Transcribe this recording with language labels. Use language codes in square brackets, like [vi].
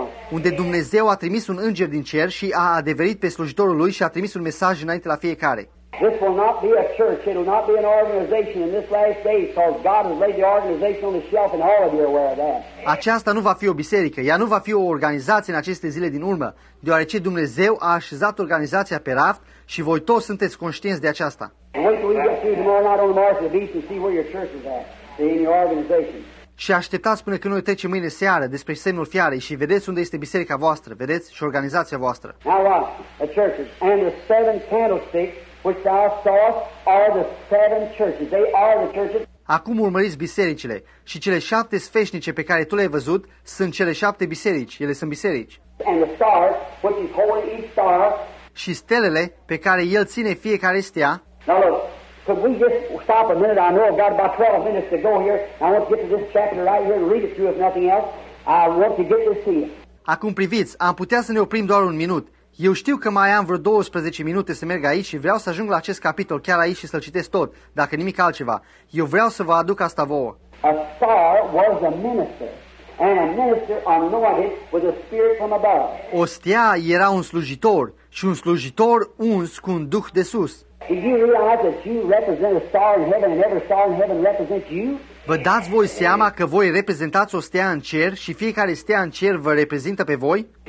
[ro] Unde Dumnezeu a trimis un înger din cer și a adeverit pe slujitorul lui și a trimis un mesaj înainte la fiecare. [en] This will not be a church, it will not be an organization in this last day, because God has laid the organization on the shelf and all of you are aware of that. [ro] Aceasta nu va fi o biserică, ea nu va fi o organizație în aceste zile din urmă, deoarece Dumnezeu a așezat organizația pe raft și voi toți sunteți conștienți de aceasta. [en] Wait till we get through tomorrow night on the march of the beast and see where your church is at, in your organization. [ro] Și așteptați până când noi trecem mâine seară despre semnul fiarei și vedeți unde este biserica voastră, vedeți și organizația voastră. [en] Now what? The churches and the seven candlesticks. Which thou sawest are the seven churches. They are the churches. [ro] Acum urmăriți bisericile și cele șapte sfeșnice pe care tu le-ai văzut sunt cele șapte biserici. Ele sunt biserici. [en] And the stars, which is holding each star. [ro] Și stelele pe care el ține fiecare stea. [en] Now look, could we just stop a minute? I know I've got about 12 minutes to go here. I want to get to this chapter right here and read it through if nothing else. I want to get this to you. [ro] Acum priviți, am putea să ne oprim doar un minut. Eu știu că mai am vreo 12 minute să merg aici și vreau să ajung la acest capitol chiar aici și să-l citesc tot, dacă nimic altceva. Eu vreau să vă aduc asta vouă. [en] A star was a minister, and a minister anointed with a spirit from above. [ro] O stea era un slujitor și un slujitor uns cu un duh de sus. [en] Did you realize that you represent a star in heaven and every star in heaven represents you? [ro] Vă dați voi seama că voi reprezentați o stea în cer și fiecare stea în cer vă reprezintă pe voi?